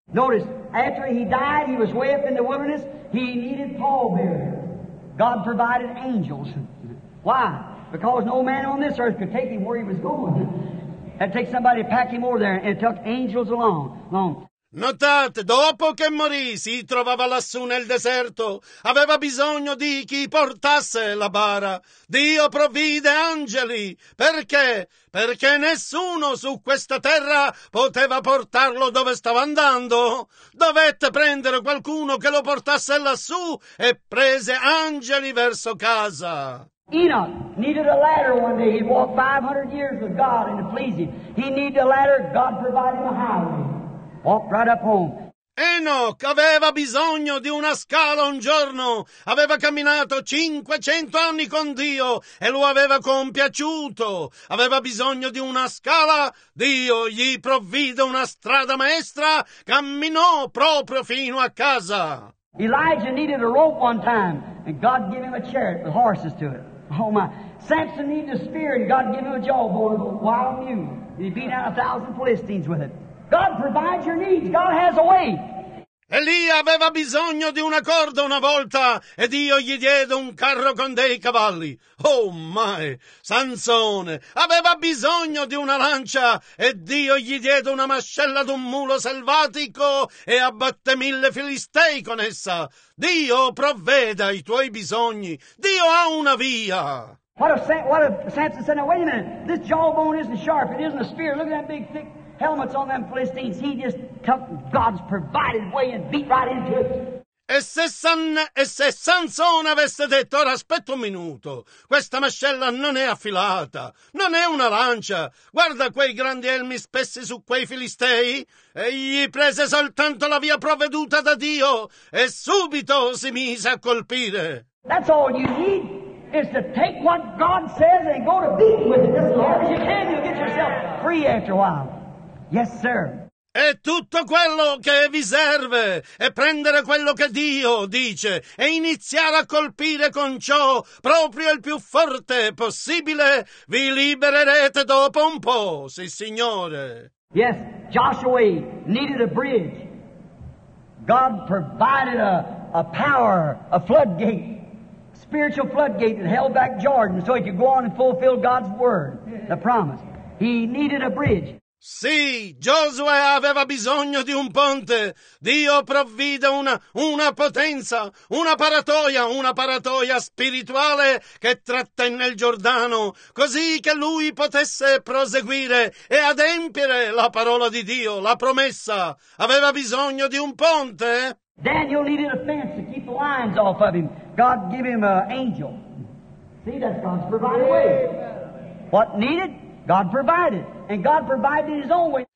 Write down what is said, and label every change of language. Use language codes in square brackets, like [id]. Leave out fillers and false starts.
[en] Notice, after he died, he was way up in the wilderness, he needed pallbearers. God provided angels. Why? Because no man on this earth could take him where he was going. It'd take somebody to pack him over there, and it took angels along. [it] Notate, dopo che morì, si trovava lassù nel deserto, aveva bisogno di chi portasse la bara. Dio provvide angeli. Perché? Perché nessuno su questa terra poteva portarlo dove stava andando. Dovette prendere qualcuno che lo portasse lassù e prese angeli verso casa. [en] Enoch needed a ladder one day. He walked 500 years with God and it pleased him. He needed a ladder, God provided him a highway. Walk right up home. [it] Enoch aveva bisogno di una scala un giorno. Aveva camminato 500 anni con Dio e lo aveva compiaciuto. Aveva bisogno di una scala. Dio gli provvide una strada maestra. Camminò proprio fino a casa. [en] Elijah needed a rope one time and God gave him a chariot with horses to it. Oh my. Samson needed a spear and God gave him a jawbone of a wild mule. He beat out 1,000 Philistines with it. God provides your needs. God has a way. [it] Elia aveva bisogno di una corda una volta e Dio gli diede un carro con dei cavalli. Oh mai! Sansone aveva bisogno di una lancia e Dio gli diede una mascella d'un mulo selvatico e abbatté 1000 filistei con essa. Dio provveda ai tuoi bisogni. Dio ha una via. [en] What if Samson said, now wait a minute, this jawbone isn't sharp, it isn't a spear, look at that big thick helmets on them Philistines, he just took God's provided way and beat right into it. [it] E se Sansone avesse detto, ora aspetta un minuto, questa mascella non è affilata, non è una lancia, guarda quei grandi elmi spessi su quei filistei, egli prese soltanto la via provveduta da Dio e subito si mise a colpire. [en] That's all you need. Is to take what God says and go to beat with it as hard as you can. You'll get yourself free after a while. Yes, sir. [it] È tutto quello che vi serve, è prendere quello che Dio dice e iniziare a colpire con ciò proprio il più forte possibile. Vi libererete dopo un po', sì, signore. [en] Yes, Joshua needed a bridge. God provided a power, a floodgate. Spiritual floodgate that held back Jordan so he could go on and fulfill God's word, the promise. He needed a bridge. [it] Sì, Giosuè aveva bisogno di un ponte. Dio provvide una potenza, una paratoia spirituale che trattenne il Giordano, così che lui potesse proseguire e adempiere la parola di Dio, la promessa. Aveva bisogno di un ponte. [en] Daniel needed a fence to keep the lions off of him. God gave him an angel. See, that's God's provided way. What needed? God provided. And God provided his own way.